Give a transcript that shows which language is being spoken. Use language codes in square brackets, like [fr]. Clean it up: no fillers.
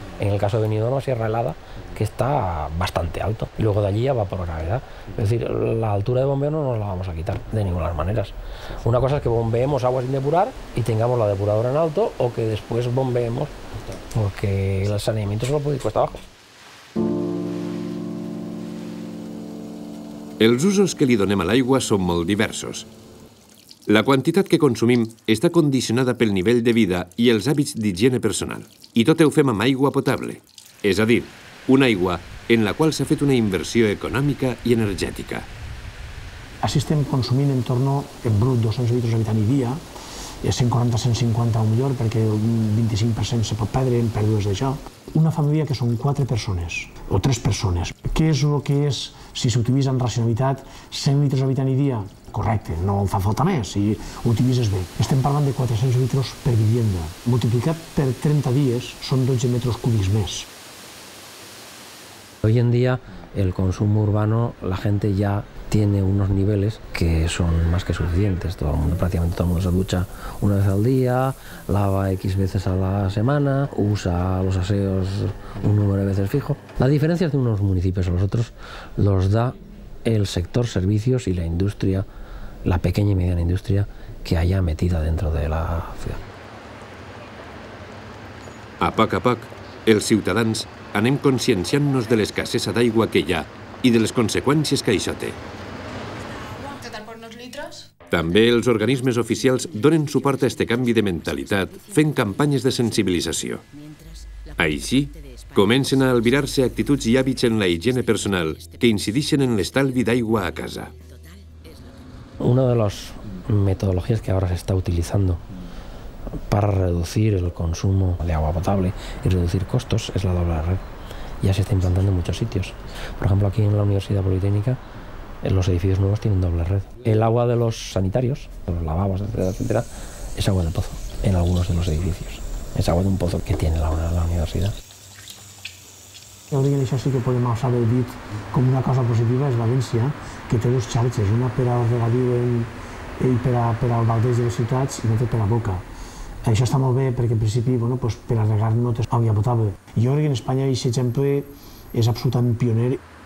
[es] En el caso de Benidorm, la Sierra Helada, que está bastante alto. Y luego de allí ya va por gravedad. Es decir, la altura de bombeo no nos la vamos a quitar de ninguna manera. Una cosa es que bombeemos agua sin depurar y tengamos la depuradora en alto, o que después bombeemos porque el saneamiento solo puede ir cuesta abajo. [ca] Els usos que li donem a l'aigua són molt diversos. La quantitat que consumim està condicionada pel nivell de vida i els hàbits d'higiene personal. I tot ho fem amb aigua potable, és a dir, una aigua en la qual s'ha fet una inversió econòmica i energètica. Així estem consumint [es] en torno, [ca] en brut, 200 litres d'habitant i dia, 140-150 o millor, perquè el 25% se pot perdre en pèrdues d'això. Una família que són 4 persones, o 3 persones, què és el que és, si s'utilitza amb racionalitat, 100 litres d'habitant i dia? Correcte, no fa falta més, si ho utilitzes bé. Estem parlant de 400 litres per vivienda. Multiplicat per 30 dies, són 12 metres cúbics més. [es] Hoy en día, el consumo urbano, la gente ya tiene unos niveles que son más que suficientes. Todo el mundo, prácticamente todo el mundo se ducha una vez al día, lava X veces a la semana, usa los aseos un número de veces fijo. La diferencia de unos municipios a los otros los da el sector servicios y la industria, la pequeña y mediana industria que haya metida dentro de la ciudad. [ca] A poc, els ciutadans anem conscienciant-nos de l'escassesa d'aigua que hi ha i de les conseqüències que això té. També els organismes oficials donen suport a este canvi de mentalitat fent campanyes de sensibilització. Així, comencen a albirar-se actituds i hàbits en la higiene personal que incideixen en l'estalvi d'aigua a casa. Una de les metodologies que ara s'està utilitzant [es] para reducir el consumo de agua potable y reducir costos es la doble red. ya se está implantando en muchos sitios. Por ejemplo, aquí en la Universidad Politécnica, los edificios nuevos tienen doble red. El agua de los sanitarios, de los lavabos, etcétera, etcétera, es agua de pozo en algunos de los edificios. Es agua de un pozo que tiene la universidad. [ca] Alguien en això sí que podem alçar el dit com una cosa positiva és València, que té dues xarxes, una per al regadiu i per al baldeig de les ciutats i l'altra per a la boca. Això està molt bé perquè, en principi, bueno, pues, per a regar no té aigua potable. Jo crec que en Espanya aquest exemple és absolutament pioner.